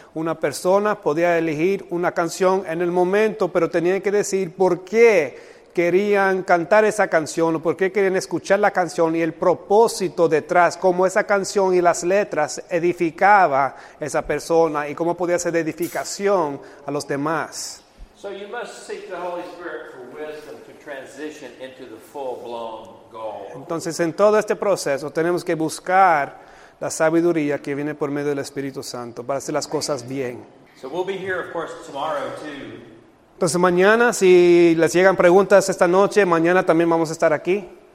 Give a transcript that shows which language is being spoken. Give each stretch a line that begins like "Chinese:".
Spanish: Una persona podía elegir una canción en el momento, pero tenía que decir por qué querían cantar esa canción, o por qué querían escuchar la canción y el propósito detrás, cómo esa canción y las letras edificaba a esa persona y cómo podía ser de edificación a los demás.
English: So you must seek the Holy Spirit for wisdom to transition into the full-blown.
Spanish: Entonces, en todo este proceso, tenemos que buscar la sabiduría que viene por medio del Espíritu Santo para hacer las cosas bien.
English: So we'll be here, of course, tomorrow too.
Spanish: Entonces, mañana, si les llegan preguntas esta noche, mañana también vamos a estar aquí.